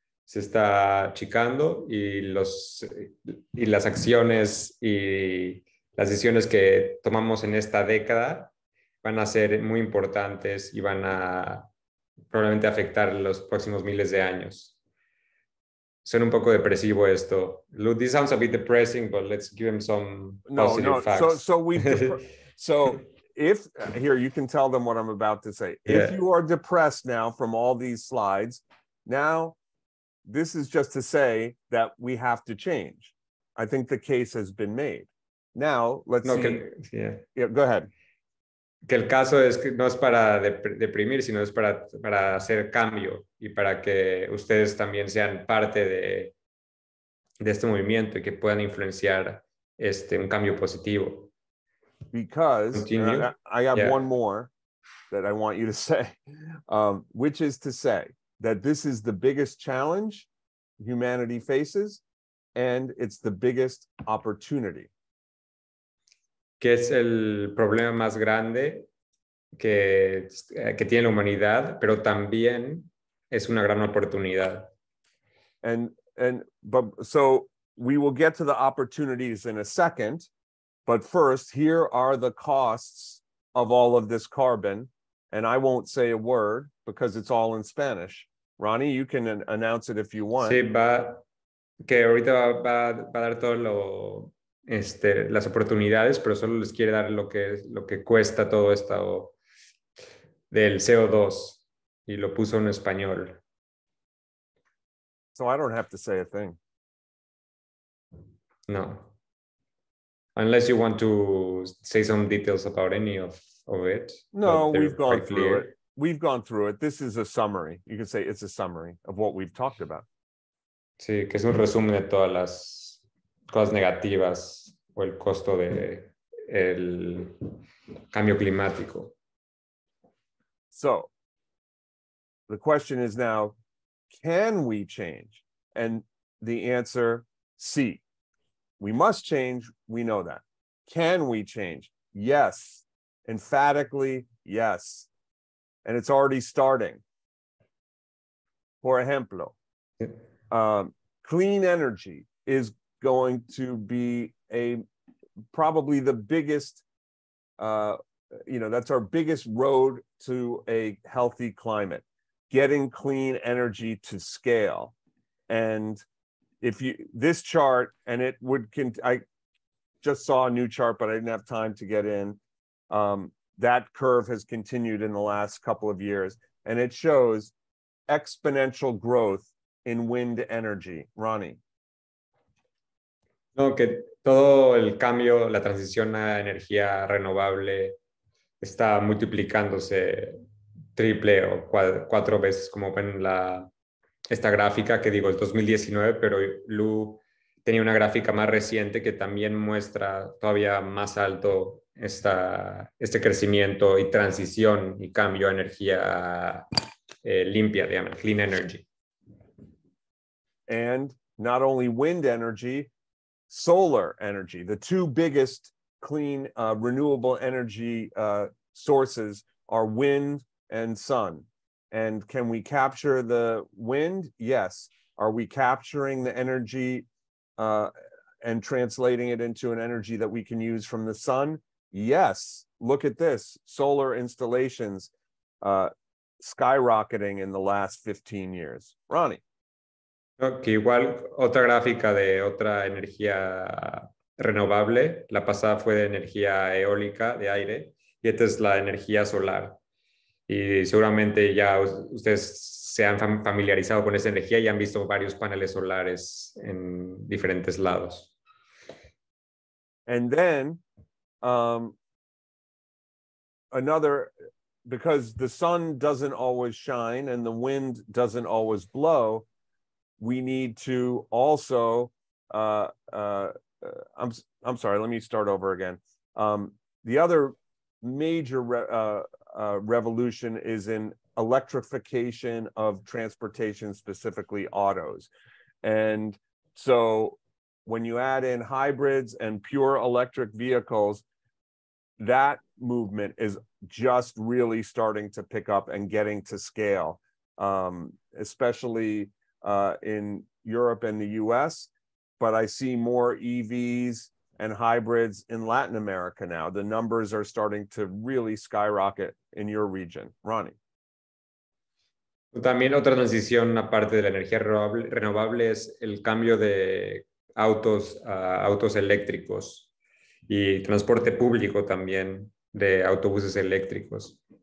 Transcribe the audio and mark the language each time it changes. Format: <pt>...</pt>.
<es>Se está achicando y las acciones y las decisiones que tomamos en esta década van a ser muy importantes y van a probablemente afectar los próximos miles de años. Suena un poco depresivo esto.</es> <en>This sounds a bit depressing, but let's give him some positive facts. So if, here, you can tell them what I'm about to say. If you are depressed now from all these slides, now, this is just to say that we have to change. I think the case has been made. Now, let's see. Go ahead.</en> <es>Que el caso es que no es para deprimir, sino es para hacer cambio y para que ustedes también sean parte de este movimiento y que puedan influenciar un cambio positivo.</es> <en>Because I have one more that I want you to say, which is to say that this is the biggest challenge humanity faces, and it's the biggest opportunity.</en> <es>¿Qué es el problema más grande que tiene la humanidad, pero también es una gran oportunidad?</es> <en>But so we will get to the opportunities in a second, but first, here are the costs of all of this carbon, and I won't say a word because it's all in Spanish. Ronnie, you can announce it if you want.</en> <es>Sí, va, que ahorita va a dar todo lo, las oportunidades, pero solo les quiere dar lo que cuesta todo esto del CO2 y lo puso en español.</es> <en>So I don't have to say a thing. No. Unless you want to say some details about any of it. No, we've gone through it. We've gone through it. This is a summary. You can say it's a summary of what we've talked about.</en> <es>Sí, que es un resumen de todas las cosas negativas o el costo de el cambio climático.</es> <en>So, the question is now, can we change? And the answer,</en> <es>sí.</es> <en>We must change. We know that. Can we change? Yes. Emphatically, yes. And it's already starting.</en> <es>Por ejemplo,</es> <en>clean energy is going to be probably the biggest, that's our biggest road to a healthy climate, getting clean energy to scale. And if you, this chart, and it would, I just saw a new chart, but I didn't have time to get in. That curve has continued in the last couple of years, and it shows exponential growth in wind energy. Ronnie.</en> <es>No, que todo el cambio, la transición a energía renovable está multiplicándose triple o cuatro veces, como ven esta gráfica, que digo, es 2019, pero Lu tenía una gráfica más reciente que también muestra todavía más alto este crecimiento y transición y cambio a energía limpia, digamos,</es> <en>clean energy. And not only wind energy, solar energy, the two biggest clean renewable energy sources are wind and sun. And can we capture the wind? Yes. Are we capturing the energy and translating it into an energy that we can use from the sun? Yes, look at this, solar installations skyrocketing in the last 15 years. Ronnie.</en> <es>Que igual otra gráfica de otra energía renovable, la pasada fue de energía eólica, de aire, y esta es la energía solar. Y seguramente ya ustedes se han familiarizado con esa energía y han visto varios paneles solares en diferentes lados.</es> <en>And then, another, because the sun doesn't always shine and the wind doesn't always blow, we need to also, I'm sorry, let me start over again. The other major revolution is in electrification of transportation, specifically autos. And so when you add in hybrids and pure electric vehicles, that movement is just really starting to pick up and getting to scale, especially in Europe and the US. But I see more EVs and hybrids in Latin America now. The numbers are starting to really skyrocket in your region. Ronnie.</en> <es>También otra transición aparte de la energía renovable es el cambio de autos a autos eléctricos y transporte público también de autobuses eléctricos.</es>